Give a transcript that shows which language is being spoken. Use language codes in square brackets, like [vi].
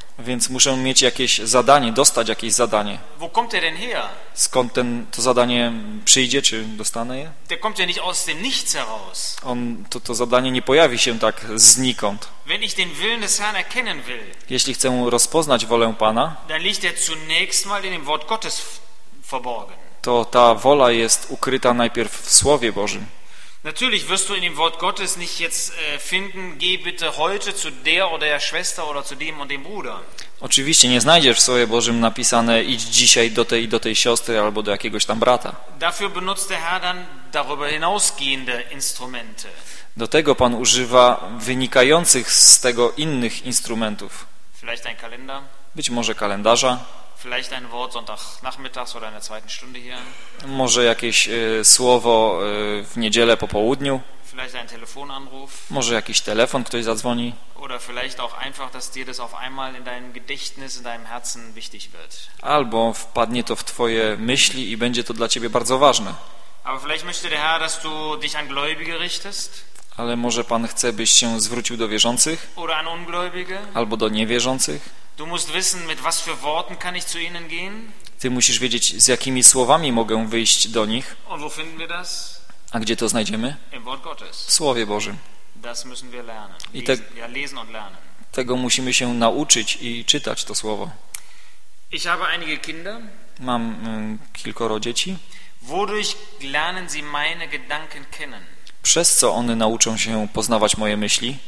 [pl] Więc muszę mieć jakieś zadanie, dostać jakieś zadanie. [de] Wo kommt er denn her? [pl] Skąd ten, to zadanie przyjdzie, czy dostanę je? [de] Der kommt ja nicht aus dem Nichts heraus. [pl] On, to zadanie nie pojawi się tak znikąd. [de] Wenn ich den Willen des Herrn erkennen will, [pl] jeśli chcę rozpoznać wolę Pana, [de] dann liegt er zunächst mal in dem Wort Gottes verborgen. [pl] To ta wola jest ukryta najpierw w Słowie Bożym. [de] Natürlich wirst du in dem Wort Gottes nicht jetzt finden, geh bitte heute zu der oder der Schwester oder zu dem und dem Bruder. [pl] Oczywiście nie znajdziesz w Słowie Bożym napisane idź dzisiaj do tej siostry albo do jakiegoś tam brata. [de] Dafür benutzt der Herr dann darüber hinausgehende Instrumente. [pl] Do tego Pan używa wynikających z tego innych instrumentów. [de] Vielleicht ein Kalender? [pl] Być może kalendarza. [de] Vielleicht ein Wort sonntagnachmittags oder in der zweiten Stunde hier. [pl] Może jakieś słowo w niedzielę po południu. [de] Vielleicht ein Telefonanruf. [pl] Może jakiś telefon, ktoś zadzwoni. [de] Oder vielleicht auch einfach, dass dir das auf einmal in deinem Gedächtnis, in deinem Herzen wichtig wird. [pl] Albo wpadnie to w twoje myśli i będzie to dla ciebie bardzo ważne. [de] Aber vielleicht möchte der Herr, dass du dich an Gläubige richtest. [pl] Ale może Pan chce, byś się zwrócił do wierzących? [de] Oder an Ungläubige. [pl] Albo do niewierzących? [de] Du musst wissen, mit was für Worten kann ich zu ihnen gehen? [pl] Ty musisz wiedzieć, z jakimi słowami mogę wyjść do nich. [de] Und wo finden wir das? [pl] A gdzie to znajdziemy? [de] Im Wort Gottes. [pl] W Słowie Bożym. [de] Das müssen wir lernen. [pl] I te... [de] ja, lesen und lernen. [pl] Tego musimy się nauczyć i czytać to słowo. [de] Ich habe einige Kinder. [pl] Mam kilkoro dzieci. [de] Wodurch lernen sie meine Gedanken kennen? [pl] Przez co one nauczą się poznawać moje myśli?